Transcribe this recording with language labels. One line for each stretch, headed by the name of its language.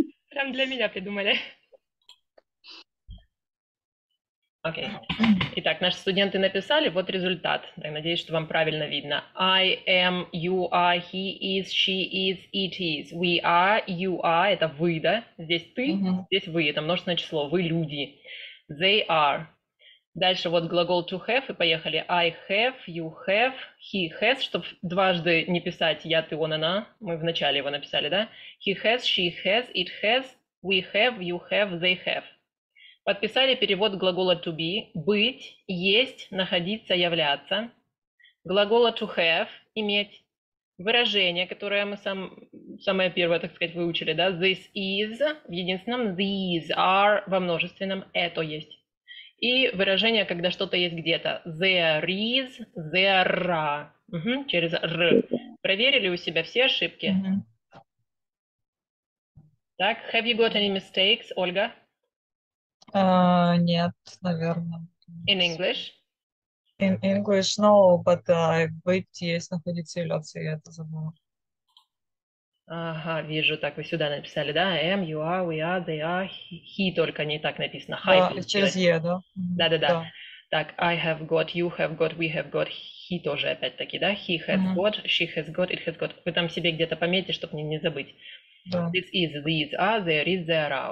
Russian: Прям для меня придумали. Окей. Итак, наши студенты написали, вот результат. Так, надеюсь, что вам правильно видно.
English: I am, you are, he is, she is, it is. We are, you are,
Russian: это вы, да? Здесь ты, здесь вы, это множественное число, вы люди.
English: They are,
Russian: Дальше вот глагол to have, и поехали.
English: I have, you have, he has,
Russian: чтобы дважды не писать я, ты, он, она. Мы вначале его написали, да?
English: He has, she has, it has, we have, you have, they have.
Russian: Подписали перевод глагола to be, быть, есть, находиться, являться. Глагола to have, иметь. Выражение, которое мы самое первое, так сказать, выучили, да?
English: This is
Russian: в единственном,
English: these are
Russian: во множественном, это есть. И выражение, когда что-то есть где-то.
English: There is, there are.
Russian: Угу, через r. Проверили у себя все ошибки? Так,
English: have you got any mistakes, Ольга?
Russian: Нет, наверное.
English: In English? In English, no, but
Russian: быть есть, находиться, являться, я это забыла. Ага, вижу, так вы сюда написали, да?
English: I am, you are, we are, they are, he
Russian: только не так написано. Hi, через E, да? Да-да-да. Так,
English: I have got, you have got, we have got, he
Russian: тоже опять-таки, да?
English: He has got, she has got, it has got.
Russian: Вы там себе где-то пометьте, чтобы не забыть.
English: This is, these are, there is, there are.